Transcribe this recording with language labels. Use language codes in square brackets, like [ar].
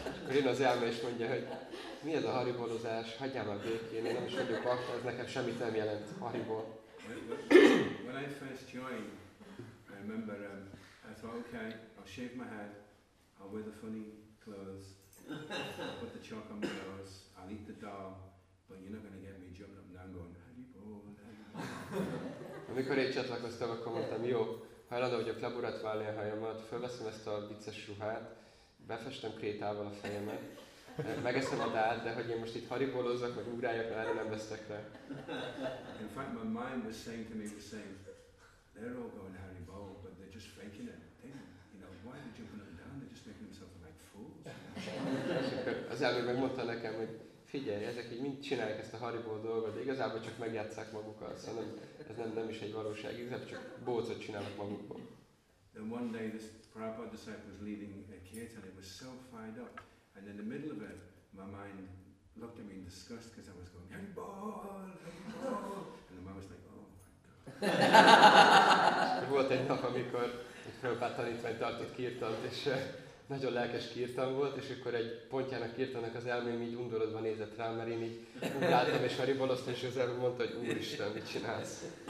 [hu] Jön az elme és mondja, hogy mi ez a haribolozás, hagyjál már békén, én nem is vagyok akta, ez nekem semmit nem jelent, haribol. [en] When I first joined, I remember, I thought, okay, I'll shave my head, I'll wear the funny clothes, I'll put the chalk on my nose, I'll eat the dal, but you're not going to get me jumping up and down going, haribol, haribol. [hu] Amikor én csatlakoztam, akkor mondtam, jó, hajlandó vagyok leburatválni a hajamat, fölveszem ezt a vicces ruhát, befestem krétával a fejemet, megeszem a dát, de hogy én most itt haribolozzak, vagy ugráljak, erre nem vesztek le. [en] In fact, my mind was saying to me, was saying, they're all going haribol, but they're just faking it. Why are they jumping up and down? They're just making themselves like fools. [hu] Az elmém megmondta nekem, hogy figyelj, ezek így mind csinálják ezt a haribol dolgot, de igazából csak megjátszák magukat, szóval ez nem is egy valóság, igazából csak bócot csinálnak magukból. [en] And one day this Prabhupada disciple was leading a kirtan, it was so fired up. And in the middle of it, my mind looked at me in disgust because I was going, haribol, haribol. And the mind was like, oh my god. [hu] Volt egy nap, amikor egy Prabhupada tanítvány tartott kirtant, és nagyon lelkes kirtan volt, és akkor egy pontján a kirtannak az elmém így undorodva nézett rám, mert én így ugráltam és haribolosztam, és az elmém mondta, hogy úristen, mit csinálsz?